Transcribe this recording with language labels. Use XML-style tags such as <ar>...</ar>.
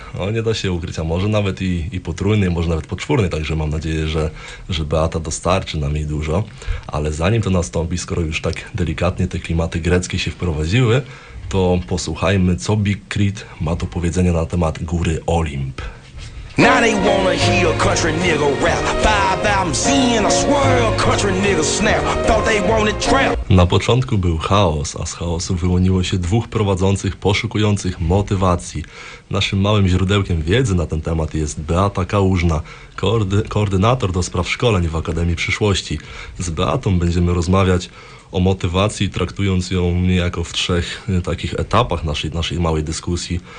<pl>No nie da się ukryć, a może nawet i potrójnej, może nawet poczwórnej, także mam nadzieję, że Beata dostarczy nam jej dużo. Ale zanim to nastąpi, skoro już tak delikatnie te klimaty greckie się wprowadziły, to posłuchajmy, co Big Krit ma do powiedzenia na temat Góry Olimp.</pl> <en>Now they wanna hear country nigga rap. Five albums in, I swear country nigga snap. Thought they wanted trap.</en> <pl>Na początku był chaos, a z chaosu wyłoniło się dwóch prowadzących poszukujących motywacji. Naszym małym źródełkiem wiedzy na ten temat jest Beata Kałużna, koordynator do spraw szkoleń w Akademii Przyszłości. Z Beatą będziemy rozmawiać o motywacji, traktując ją niejako w trzech takich etapach naszej małej dyskusji.</pl>